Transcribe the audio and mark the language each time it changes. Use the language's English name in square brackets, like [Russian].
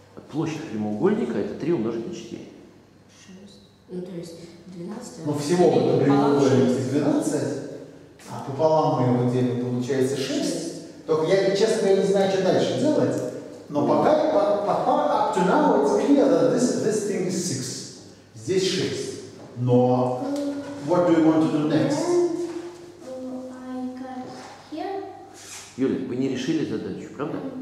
[Russian] Площадь прямоугольника это 3 умножить на 4. Ну, то есть 12. Ну, всего прямоугольник 12, а пополам мы его делим, получается 6. Только я, честно, не знаю, что дальше делать. Но пока, [English] up to now, it's clear that this thing is 6. [Russian] Здесь 6. [English] Но what do you want to do next? I got here. [Russian] Юля, вы не решили задачу, правда?